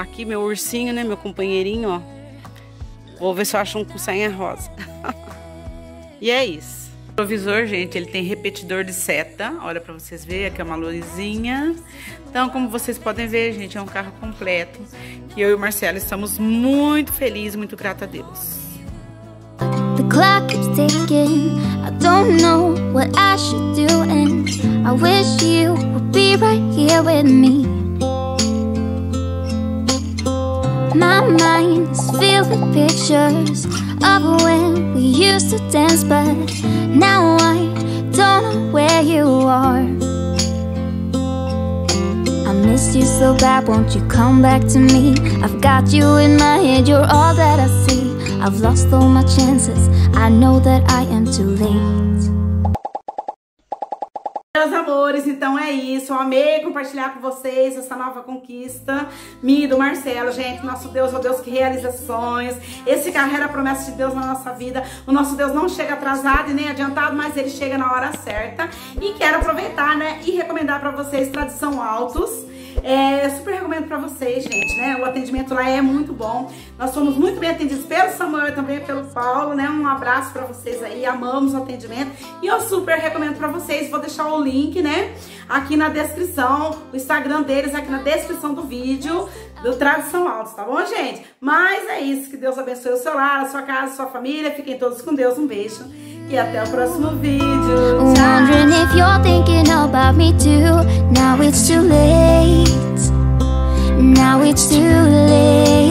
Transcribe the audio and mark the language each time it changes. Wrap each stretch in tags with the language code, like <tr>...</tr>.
<pt>Aqui, meu ursinho, né? Meu companheirinho, ó. Vou ver se eu acho um com sainha rosa. E é isso. O retrovisor, gente, ele tem repetidor de seta. Olha pra vocês verem, aqui é uma luzinha. Então, como vocês podem ver, gente, é um carro completo. E eu e o Marcelo estamos muito felizes, muito grata a Deus.</pt> <en>The clock keeps ticking. I don't know what I should do, and I wish you would be right here with me. My mind is filled with pictures of when we used to dance, but now I don't know where you are. I miss you so bad, won't you come back to me? I've got you in my head, you're all that I see. I've lost all my chances, I know that I am too late.</en> <pt>Meus amores, então é isso. Eu amei compartilhar com vocês essa nova conquista. Minha e do Marcelo, gente. Nosso Deus é o Deus que realiza sonhos. Esse carro era a promessa de Deus na nossa vida. O nosso Deus não chega atrasado e nem adiantado, mas ele chega na hora certa. E quero aproveitar, né, e recomendar pra vocês Tradição Autos. É, super recomendo pra vocês, gente, né? O atendimento lá é muito bom. Nós somos muito bem atendidos pelo Samuel e também pelo Paulo, né? Um abraço pra vocês aí, amamos o atendimento. E eu super recomendo pra vocês, vou deixar o link, né? Aqui na descrição, o Instagram deles aqui na descrição do vídeo do Tradição Autos, tá bom, gente? Mas é isso, que Deus abençoe o seu lar, a sua casa, a sua família. Fiquem todos com Deus, um beijo. E até o próximo vídeo. Tchau.</pt> <en>Wondering if you're thinking about me too. Now it's too late. Now it's too late.</en>